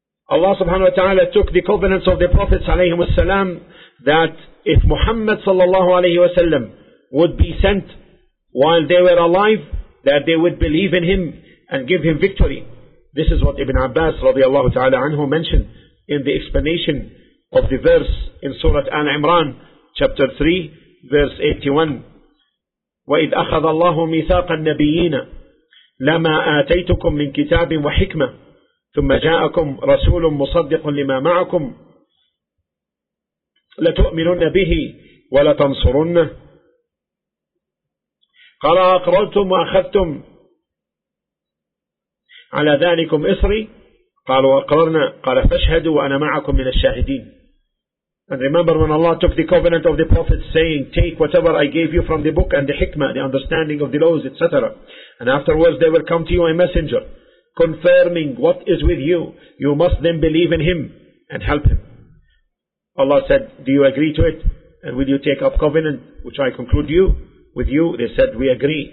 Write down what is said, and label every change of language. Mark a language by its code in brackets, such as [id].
[en] Allah subhanahu wa ta'ala took the covenants of the prophets alayhi wa salam, that if Muhammad sallallahu alayhi wa sallam would be sent while they were alive, that they would believe in him and give him victory. This is what Ibn Abbas radiallahu ta'ala anhu mentioned in the explanation of the verse in Surah Al-Imran, chapter 3, verse 81. [ar] وَإِذْ أَخَذَ اللَّهُ مِيثَاقَ النَّبِيِّينَ لما آتيتكم من كتاب وحكمة ثم جاءكم رسول مصدق لما معكم لتؤمنن به ولتنصرنه قال أقررتم وأخذتم على ذلكم إصري قالوا أقررنا قال فاشهدوا وأنا معكم من الشاهدين. [en] And remember when Allah took the covenant of the prophets saying, take whatever I gave you from the book and the hikmah, the understanding of the laws, etc. And afterwards they will come to you a messenger confirming what is with you. You must then believe in him and help him. Allah said, do you agree to it? And will you take up covenant, which I conclude you? with you. They said, we agree.